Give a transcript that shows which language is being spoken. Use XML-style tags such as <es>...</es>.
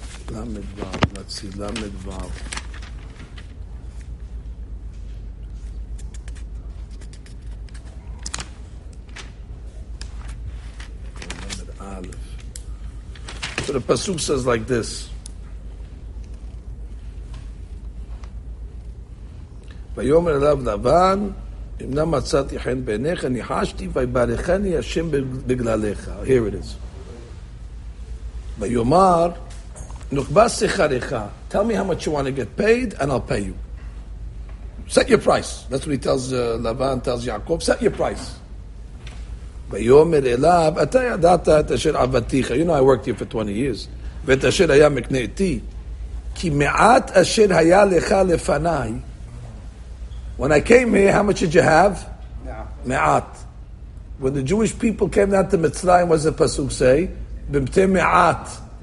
<en>Lamed Vav, let's see, Lamed Vav. Lamed Aleph. So the Pasuk says like this.</en> <he>ויאמר אליו לבן, אמנם מצאתי חן בעיניך, ניחשתי, ויברכני השם בגללך.</he> <en>Here it is.</en> <he>ויאמר, נוקבה שכרך.</he> <en>Tell me how much you want to get paid, and I'll pay you. Set your price. That's what he tells לבן, tells יעקב, set your price.</en> <he>ויאמר אליו, אתה ידעת את אשר עבדתיך.</he> <en>You know, I worked here for 20 years.</en> <he>ואת אשר היה מקנאתי. כי מעט אשר היה לך לפניי,</he> <en>when I came here, how much did you have? Me'at. When the Jewish people came down to Mitzrayim, what does the Pasuk say? Bimtei Me'at.</en>